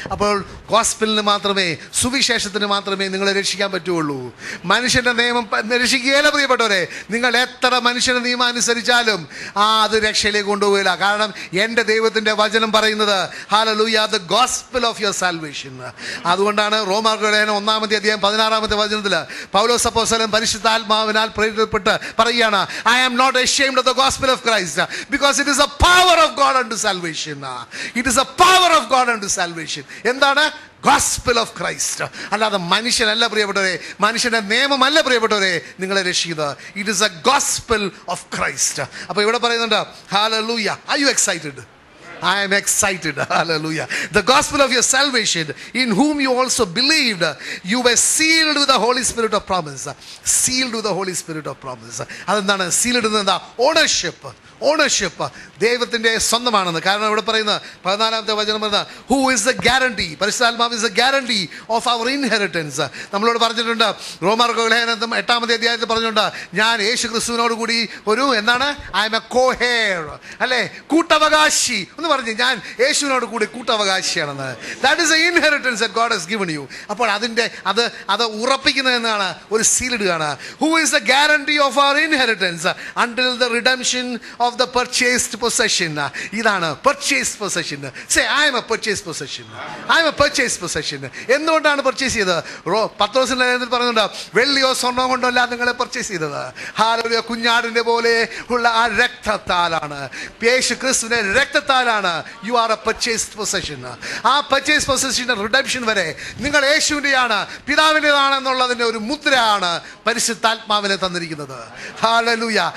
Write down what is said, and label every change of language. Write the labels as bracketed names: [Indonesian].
[Malayalam] അപ്പോൾ ഗോസ്പിളിന് മാത്രമേ, സുവിശേഷത്തിന് മാത്രമേ നിങ്ങളെ രക്ഷിക്കാൻ പറ്റുള്ളൂ. മനുഷ്യന്റെ നിയമം രക്ഷിക്കുകയല്ല പ്രിയപ്പെട്ടവരെ. നിങ്ങൾ എത്ര മനുഷ്യന്റെ നിയമം അനുസരിച്ചാലും അത് രക്ഷയിലേക്ക് കൊണ്ടുപോകില്ല. കാരണം എന്റെ ദൈവത്തിന്റെ വചനം പറയുന്നത്, hallelujah, [English] The gospel of your salvation. [Malayalam] അതുകൊണ്ടാണ് റോമർലേഖനം 1:16 വചനത്തിൽ പൗലോസ് അപ്പോസ്തലൻ പരിശുദ്ധാത്മാവിനാൽ പ്രേരിതപ്പെട്ട് പറയുകയാണ്, [English] I am not ashamed of the gospel of Christ, because it is a power of God unto salvation. It is a power of God unto salvation. [Malayalam] Endana [English] Gospel of Christ. [Malayalam] അല്ലാതെ മനുഷ്യനല്ല പ്രിയപ്പെട്ടവരെ, മനുഷ്യന്റെ നിയമമല്ല പ്രിയപ്പെട്ടവരെ നിങ്ങളെ രക്ഷിക്കുന്നത്. [English] It is a gospel of Christ. [Malayalam] അപ്പൊ ഇവിടെ പറയുന്നുണ്ട്, [English] Hallelujah. Are you excited? I am excited. Hallelujah. The gospel of your salvation, in whom you also believed, you were sealed with the Holy Spirit of promise. Sealed with the Holy Spirit of promise. [Malayalam] അതെന്താണ് sealed എന്ന് പറഞ്ഞാൽ ownership. Ownership ദൈവത്തിന്റെ സ്വന്തമാണെന്ന്. കാരണം ഇവിടെ പറയുന്ന 14-ാമത്തെ വചനം പറയുന്ന [English] Who is the guarantee, പരിശുദ്ധാത്മാവ് is the guarantee of our inheritance. [Malayalam] നമ്മളോട് പറഞ്ഞിട്ടുണ്ട് റോമർലേഖനം 8-ാമത്തെ അധ്യായത്തിൽ പറഞ്ഞിട്ടുണ്ട്, ഞാൻ യേശു ക്രിസ്തുവിനോട് കൂടി ഒരു എന്താണ്, [English] I am a coheir [Malayalam] അല്ലേ, കൂട്ടവകാശി എന്ന് പറഞ്ഞ് ഞാൻ യേശുവിനോട് കൂടി കൂട്ടവകാശിയാണെന്ന്. [English] That is a inheritance that God has given you. [Malayalam] അപ്പോൾ അതിൻ്റെ അത് ഉറപ്പിക്കുന്നത് എന്നാണ്, ഒരു സീൽഡാണ്. [English] Who is the guarantee of our inheritance until the redemption of the purchased possession. [Malayalam] ഇതാണ് [English] purchased possession. Say, I am a purchased possession. I am a purchased possession. [Malayalam] എന്തുകൊണ്ടാണ് purchase ചെയ്തത്? പത്രോസിന്റെ ലേഖനത്തിൽ പറയുന്നുണ്ട്, വെള്ളിയോ സ്വർണ്ണമോ കൊണ്ടല്ല നിങ്ങളെ പർച്ചേസ് ചെയ്തത്, ഹല്ലേലൂയ, കുഞ്ഞാടിന്റെ പോലെ ഉള്ള ആ രക്തത്താലാണ്, യേശു ക്രിസ്തുവിന്റെ രക്തത്താലാണ്. [English] You are a purchased possession. [Malayalam] ആ പർച്ചേസ് പൊസഷന്റെ റിഡംപ്ഷൻ വരെ നിങ്ങൾ യേശുവിന്റെയാണ്, പിതാവിന്റേതാണെന്നുള്ളതിന്റെ ഒരു മുദ്രയാണ് പരിശുദ്ധാത്മാവിനെ തന്നിരിക്കുന്നത്. ഹല്ലേലൂയ.